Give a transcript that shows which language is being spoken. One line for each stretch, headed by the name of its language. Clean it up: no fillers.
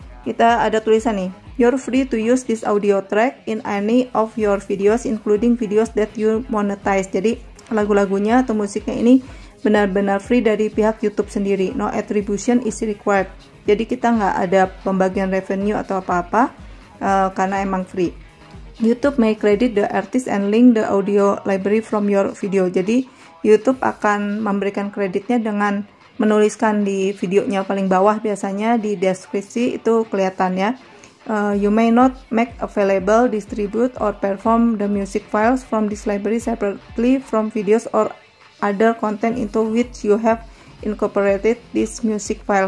Indonesian: Kita ada tulisan nih,
English: "You're free to use this audio track in any of your videos including videos that you monetize."
Indonesian: Jadi, lagu-lagunya atau musiknya ini benar-benar free dari pihak YouTube sendiri.
English: No attribution is required.
Indonesian: Jadi kita nggak ada pembagian revenue atau apa-apa karena emang free.
English: YouTube may credit the artist and link the audio library from your video.
Indonesian: Jadi YouTube akan memberikan kreditnya dengan menuliskan di videonya paling bawah, biasanya di deskripsi itu kelihatan ya.
English: You may not make available, distribute, or perform the music files from this library separately from videos or other content into which you have incorporated this music file.